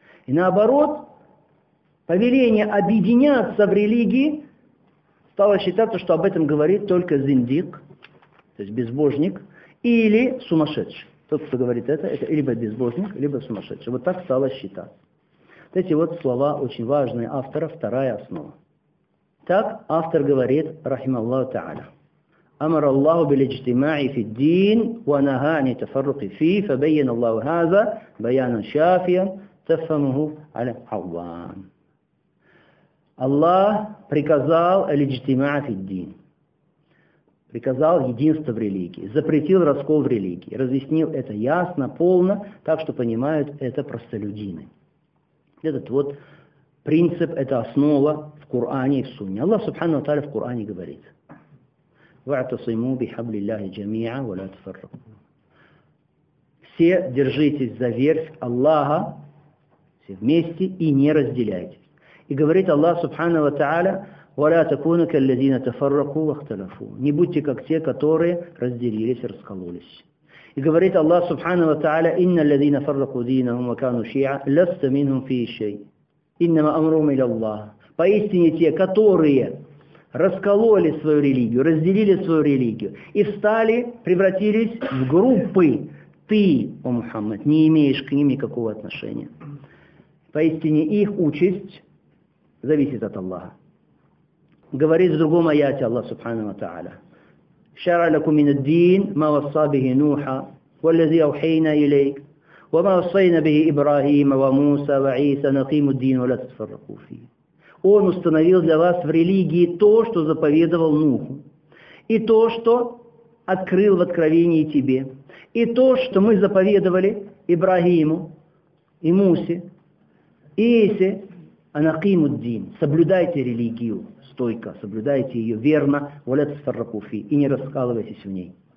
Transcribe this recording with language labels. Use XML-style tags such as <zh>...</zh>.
<ru>И наоборот, повеление объединяться в религии стало считаться, что об этом говорит только зиндик, то есть безбожник, или сумасшедший. Тот, кто говорит это либо безбожник, либо сумасшедший. Вот так стало считаться. Вот эти вот слова очень важные автора, вторая основа. Так автор говорит, рахималлаху та'аля.</ru> <ar>أمر الله بالاجتماع في الدين ونهى عن التفرق فيه فبين الله هذا بيانا شافيا تفهمه على العوام. الله</ar> <ru>приказал</ru> <ar>الاجتماع في الدين.</ar> <ru>Приказал единство в религии, запретил раскол в религии, разъяснил это ясно, полно, так что понимают это простолюдины. Этот вот принцип, это основа в Коране и в Сунне. Аллах Субхану ва Тааля в Коране говорит:</ru> <ar>واعتصموا بحبل الله جميعا ولا تفرقوا.</ar> <ru>Все держитесь за верь Аллаха, все вместе и не разделяйтесь. И говорит Аллах Субхана ва Тааля:</ru> <ar>ولا تكونوا كالذين تفرقوا واختلفوا.</ar> <ru>Не будьте как те, которые разделились и раскололись. И говорит Аллах Субхана ва Тааля:</ru> <ar>إن الذين فرقوا دينهم وكانوا شيعا لست منهم في شيء إنما أمرهم إلى الله.</ar> <ru>Поистине те, которые раскололи свою религию, разделили свою религию и встали, превратились в группы. Ты, о Мухаммад, не имеешь к ним никакого отношения. Поистине их участь зависит от Аллаха. Говорит в другом аяте Аллах Субхану ва Тааля:</ru> <ar>شرع لكم من الدين ما وصى به نوح والذي أوحينا إليك وما وصينا به إبراهيم وموسى وعيسى نقيم الدين ولا تتفرقوا فيه.</ar> <ru>Он установил для вас в религии то, что заповедовал Нуху, и то, что открыл в откровении тебе, и то, что мы заповедовали Ибрагиму и Мусе, и Исе, анакимуддин, соблюдайте религию стойко, соблюдайте ее верно, валят сфаракуфи, и не раскалывайтесь в ней.</ru>